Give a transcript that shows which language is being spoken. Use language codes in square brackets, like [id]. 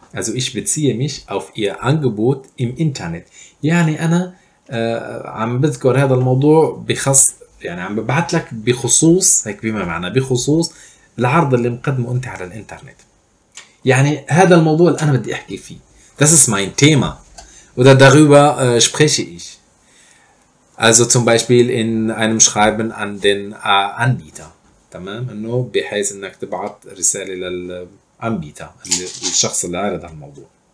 [de] also ich beziehe mich auf ihr Angebot im Internet، [ar] يعني أنا عم بذكر هذا الموضوع بخص، يعني عم ببعت لك بخصوص، هيك بما معنى بخصوص العرض اللي مقدمه أنت على الإنترنت، يعني هذا الموضوع اللي أنا بدي أحكي فيه. [de] das ist mein Thema oder darüber spreche ich. Also zum Beispiel in einem Schreiben an den Anbieter. [ar] تمام؟ انه بحيث انك تبعث رسالة للأنبيتر، الشخص اللي عارض الموضوع.